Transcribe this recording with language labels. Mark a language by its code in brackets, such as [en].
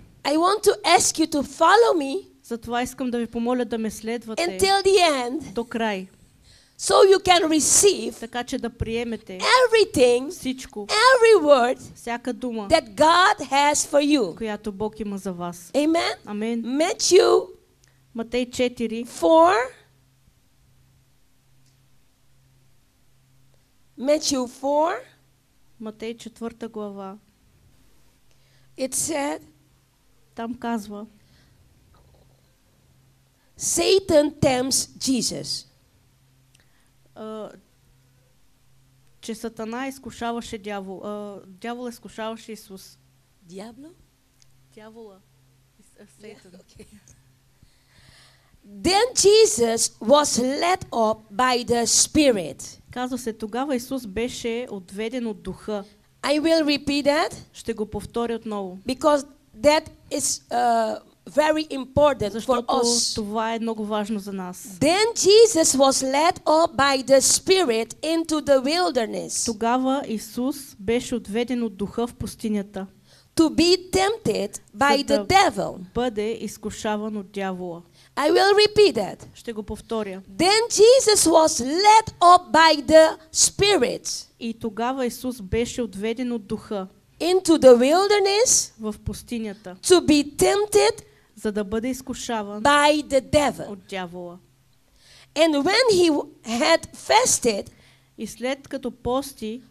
[en] I want to ask you to follow me. [bg] Затова искам да ви помоля да ме следвате [en] until the end, [bg] до край. [en] So you can receive, [bg] така че да приемете [en] everything, [bg] всичко, [en] every word, [bg] всяка дума, [en] that God has for you. [bg] Която Бог има за вас. [en] Amen. [bg] Amen. [en] Matthew, [bg] Матей 4, [en] 4, Matthew 4, [bg] Матей 4 глава. [en] It said, [bg] там казва, [en] Satan tempts Jesus. [bg] Че Сатана изкушаваше дявол, дявол изкушаваше Исус. Дявола? Дявола. Сатан. [en] Then Jesus was led up by the Spirit. [bg] Казва се, тогава Исус беше отведен от Духа. [en] I will repeat that. [bg] Ще го повторя отново. [en] Because that is very important for us. [bg] Това е много важно за нас. [en] Then Jesus was led up by the Spirit into the wilderness. [bg] Тогава Исус беше отведен от Духа в пустинята. [en] to be tempted by the devil. [bg] Бъде изкушаван от дявола. [en] I will repeat it. [bg] Ще го повторя. [en] Then Jesus was led up by the Spirit. [bg] И тогава Исус беше отведен от духа. [en] Into the wilderness. [bg] В пустинята. [en] To be tempted. [bg] За да бъде изкушаван. [en] By the devil. [bg] От дявола. [en] And when he had fasted. [bg] И след като пости.